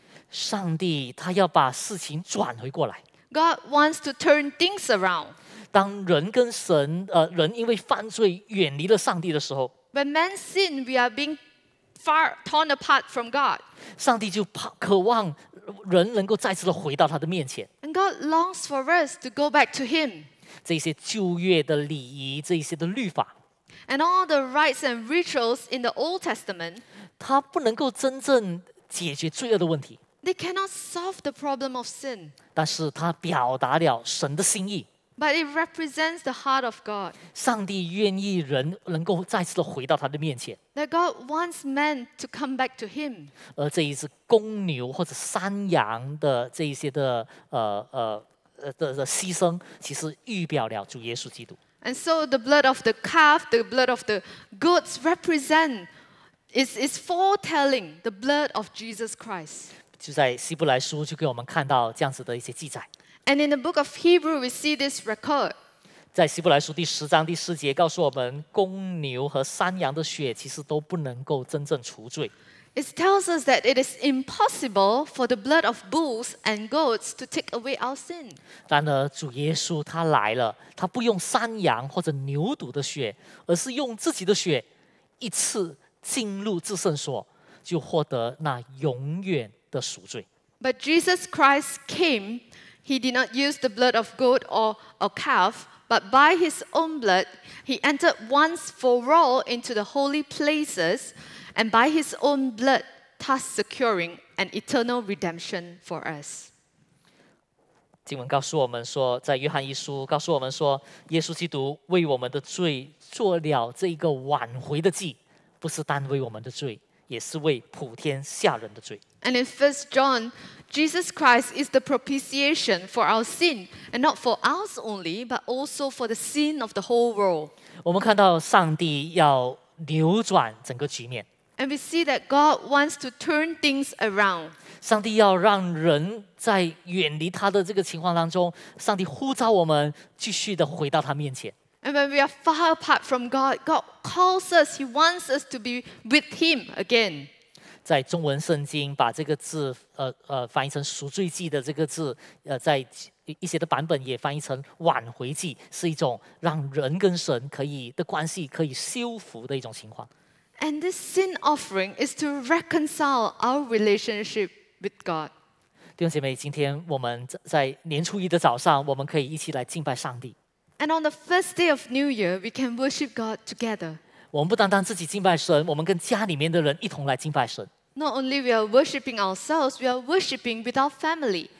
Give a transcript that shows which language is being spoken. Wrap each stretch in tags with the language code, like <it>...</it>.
<zh>上帝他要把事情转回过来。</zh> <en>God wants to turn things around.</en> <zh>当人跟神，人因为犯罪远离了上帝的时候，</zh> <en>When man sin, we are being far torn apart from God.</en> <zh>上帝就渴望人能够再次的回到他的面前。</zh> <en>And God longs for us to go back to Him.</en> <zh>这些旧约的礼仪，这些的律法</zh> <en>，and all the rites and rituals in the Old Testament，</en> <zh>它不能够真正解决罪恶的问题。</zh> <en>They cannot solve the problem of sin。</en> <zh>但是它表达了神的心意。</zh> <en>But it represents the heart of God。</en> <zh>上帝愿意人能够再次的回到他的面前。</zh> <en>That God wants men to come back to Him。</en> <zh>而这一只公牛或者山羊的这一些的牺牲，其实预表了主耶稣基督。</zh> <en>And so the blood of the calf, the blood of the goats represent, is foretelling the blood of Jesus Christ.</en> <zh>就在希伯来书就给我们看到这样子的一些记载。</zh> <en>And in the book of Hebrew, we see this record.</en> <zh>在希伯来书第十章第四节告诉我们，公牛和山羊的血其实都不能够真正除罪。</zh> <en>It tells us that it is impossible for the blood of bulls and goats to take away our sin.</en> <zh>然而主耶稣他来了，他不用山羊或者牛犊的血，而是用自己的血一次进入至圣所，就获得那永远的赎罪。</zh> <en>But Jesus Christ came, he did not use the blood of goat or a calf, but by his own blood, he entered once for all into the holy places,And by his own blood, thus securing an eternal redemption for us.</en> <zh>经文告诉我们说，在约翰一书告诉我们说，耶稣基督为我们的罪做了这一个挽回的祭，不是单为我们的罪，也是为普天下人的罪。</zh> <en>And in 1 John, Jesus Christ is the propitiation for our sin, and not for ours only, but also for the sin of the whole world.</en> <zh>我们看到上帝要扭转整个局面。</zh> <en>And we see that God wants to turn things around.</en> <zh>上帝要让人在远离他的这个情况当中，上帝呼召我们继续的回到他面前。</zh> <en>And when we are far apart from God, God calls us, He wants us to be with Him again.</en> <zh>在中文圣经把这个字翻译成赎罪祭的这个字在一些的版本也翻译成挽回祭，是一种让人跟神可以的关系可以修复的一种情况。</zh> <en>And this sin offering is to reconcile our relationship with God.</en> <zh>弟兄姐妹，今天我们在年初一的早上，我们可以一起来敬拜上帝。</zh> <en>And on the first day of New Year, we can worship God together.</en> <zh>我们不单单自己敬拜神，我们跟家里面的人一同来敬拜神。</zh> <en>Not only we are worshiping ourselves, we are worshiping with our family.</en>